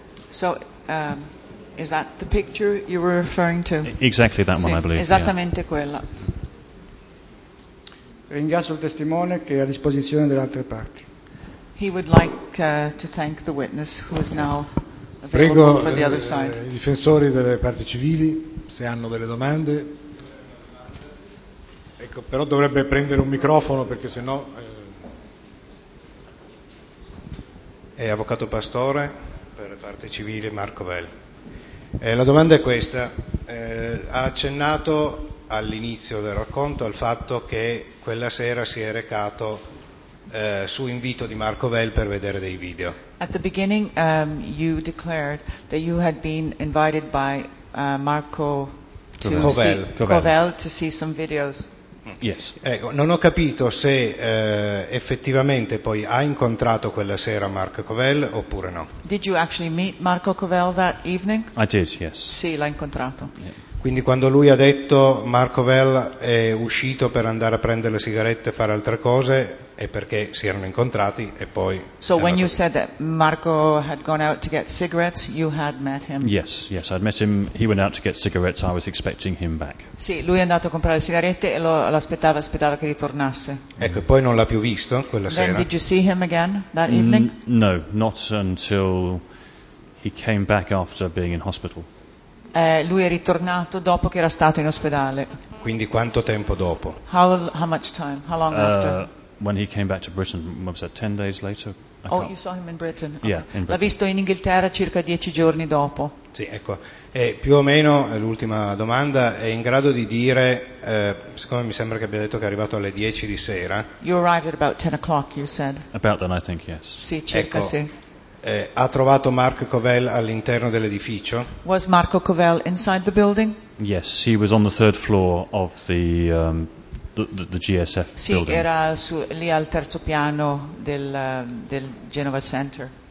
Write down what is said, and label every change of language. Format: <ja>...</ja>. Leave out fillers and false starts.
<en>So, is that the picture you were referring to? Exactly that one,</en> <it>sì,</it> <en>I believe.</en> <it>Esattamente quella. Ringrazio il testimone che è a disposizione delle altre parti.</it> <en>He would like to thank the witness who is now available. Prego, for the other side.</en> <it>I difensori delle parti civili, se hanno delle domande. Ecco, però dovrebbe prendere un microfono perché sennò. Avvocato Pastore, per la parte civile, Marco Vell. La domanda è questa. Ha accennato all'inizio del racconto al fatto che quella sera si è recato su invito di Marco Vell per vedere dei video.</it> <en>At the beginning you declared that you had been invited by Marco Covell to see some videos. Yes.</en> <it>Ecco, non ho capito se effettivamente poi ha incontrato quella sera Marco Covell oppure no.</it> <en>Did you actually meet Marco Covell that evening? I did, yes.</en> <it>Sì, l'ha incontrato.</it> <en>Yeah.</en> <it>Quindi quando lui ha detto Marco Covell è uscito per andare a prendere le sigarette e fare altre cose è perché si erano incontrati e poi.</it> <en>So when you said that Marco had gone out to get cigarettes, you had met him. Yes, I'd met him. He went out to get cigarettes. I was expecting him back.</en> <it>Sì, lui è andato a comprare le sigarette e lo aspettava che ritornasse. Ecco, poi non l'ha più visto quella sera.</it> <en>Then did you see him again that evening? No, not until he came back after being in hospital.</en> <it>Lui è ritornato dopo che era stato in ospedale. Quindi quanto tempo dopo?</it> <en>How much time? How long after? When he came back to Britain, was that 10 days later? Oh, you saw him in Britain. Okay. Yeah, in Britain.</en> <it>L'ha visto in Inghilterra circa 10 giorni dopo. Sì, ecco. E più o meno l'ultima domanda è in grado di dire, siccome mi sembra che abbia detto che è arrivato alle 10 di sera.</it> <en>You arrived at about 10 o'clock, you said. About then, I think, yes.</en> <it>Sì, circa, ecco, sì. Ha trovato Mark Covell all'interno dell'edificio?</it> <en>Was Marco Covell inside the building? Yes, he was on the third floor of the GSF</en> <it>sì,</it> <en>building.</en> <it>Sì, era su, lì al terzo piano del Genova Center.</it>